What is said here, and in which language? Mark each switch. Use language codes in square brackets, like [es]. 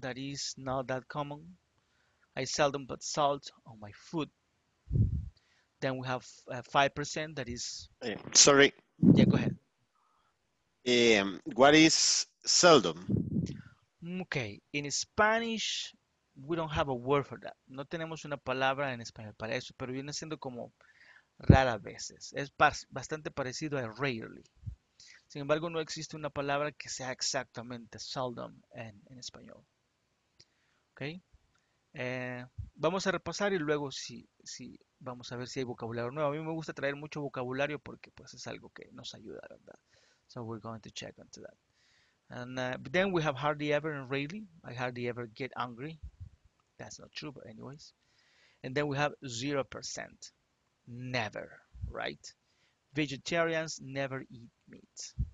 [en] That is not that common. I seldom put salt on my food. Then we have 5%. That is... Sorry. Yeah, go ahead. What is seldom? Okay, in Spanish we don't have a word for that. [es] No tenemos una palabra en español para eso, pero viene siendo como rara veces. Es bastante parecido a rarely. Sin embargo, no existe una palabra que sea exactamente seldom en español. Okay. Vamos a repasar y luego si vamos a ver si hay vocabulario nuevo. A mí me gusta traer mucho vocabulario porque pues es algo que nos ayuda, ¿verdad? [en] So we're going to check into that. And but then we have hardly ever and rarely. I hardly ever get angry. That's not true, but anyways. And then we have 0%. Never, right? Vegetarians never eat meat.